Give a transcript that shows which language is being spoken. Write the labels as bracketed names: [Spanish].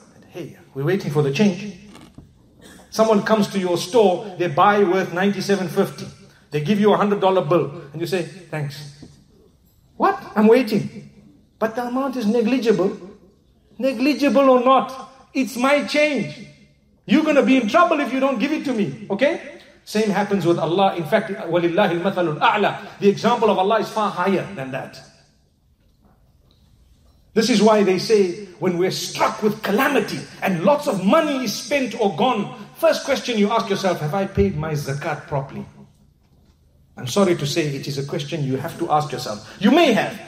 [English] Hey, we're waiting for the change. Someone comes to your store, they buy worth 97.50. They give you a $100 bill and you say, thanks. What? I'm waiting. But the amount is negligible. Negligible or not, it's my change. You're going to be in trouble if you don't give it to me. Okay? Same happens with Allah. In fact, [Arabic] وَلِلَّهِ الْمَثَلُ الْأَعْلَى. [English] The example of Allah is far higher than that. This is why they say, when we're struck with calamity and lots of money is spent or gone, first question you ask yourself, have I paid my zakat properly? I'm sorry to say, it is a question you have to ask yourself. You may have.